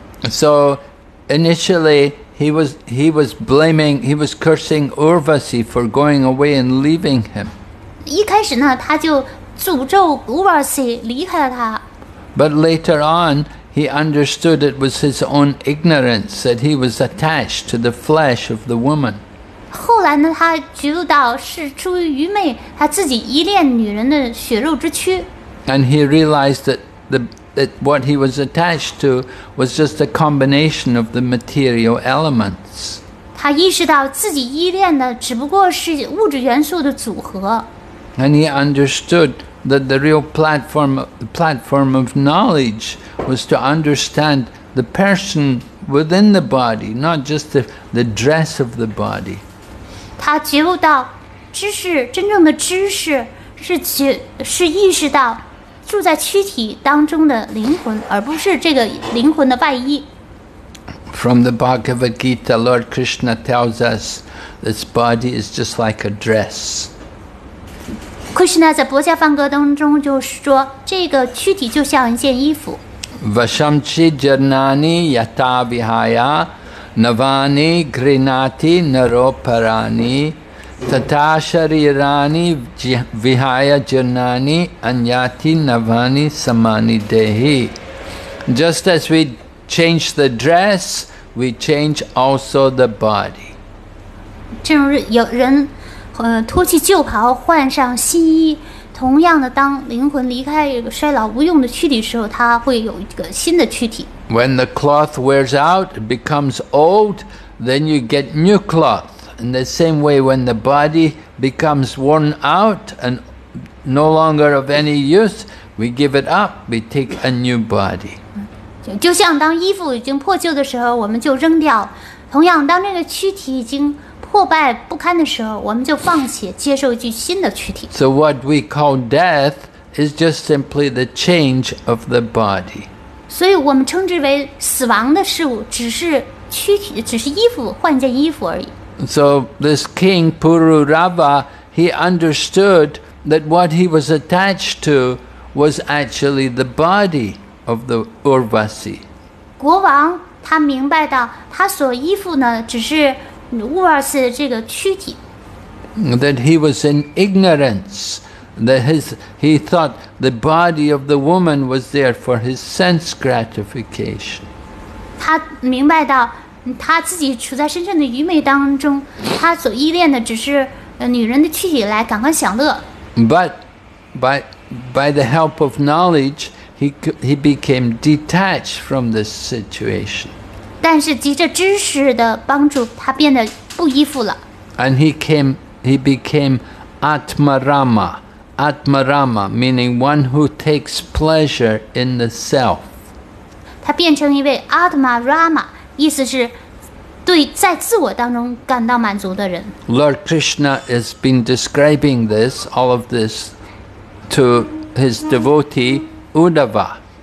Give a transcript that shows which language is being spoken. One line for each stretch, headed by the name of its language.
English: So, initially, he was cursing Urvasi for going away and leaving him.
Chinese: 一开始呢，他就诅咒 Urvasi 离开了他。
English: But later on, he understood it was his own ignorance that he was attached to the flesh of the woman.
Chinese: 后来呢，他觉悟到是出于愚昧，他自己依恋女人的血肉之躯。
English: And he realized that what he was attached to was just a combination of the material elements.
Chinese: 他意识到自己依恋的只不过是物质元素的组合。
English: And he understood that the real platform of knowledge was to understand the person within the body, not just the dress of the body.
Chinese: 他觉悟到知识真正的知识是意识到住在躯体当中的灵魂而不是这个灵魂的外衣
English: From the Bhagavad Gita, Lord Krishna tells us this body is just like a dress.
Chinese: Krishna 在薄伽梵歌当中就是说这个躯体就像一件衣服
Sanskrit: Vashamchi Jarnani Yatavihaya Navani Grinati Naroparani Tatasharirani Vihaya Jarnani Anyati Navani Samani Dehi.
English: Just as we change the dress, we change also the body.
Chinese: 正如有人脱去旧袍换上新衣，同样的，当灵魂离开一个衰老无用的躯体时候，它会有一个新的躯体。
English: When the cloth wears out, it becomes old, then you get new cloth. In the same way, when the body becomes worn out and no longer of any use, we give it up, we take a new body.
Chinese: 就像当衣服已经破旧的时候，我们就扔掉。同样，当这个躯体已经破败不堪的时候，我们就放弃，接受一具新的躯体。
English: So what we call death is just simply the change of the body.
Chinese: 所以我们称之为死亡的事物，只是躯体，只是衣服，换件衣服而已。
English: So this king Pururava, he understood that what he was attached to was actually the body of the Urvasi.
Chinese: 国王他明白到他所依附呢，只是乌尔斯的这个躯体。
English: That he was in ignorance. He thought the body of the woman was there for his sense gratification.
Chinese: 他明白到他自己处在深深的愚昧当中，他所依恋的只是女人的躯体来感官享乐。
English: But by the help of knowledge, he became detached from this situation.
Chinese: 但是藉着知识的帮助，他变得不依附了。
English: And he became Atmarama. Atmarama, meaning one who takes pleasure in the self.
Chinese: 他变成一位 Atmarama, 意思是对在自我当中感到满足的人。
English: Lord Krishna has been describing this, all of this, to his devotee Uddhava.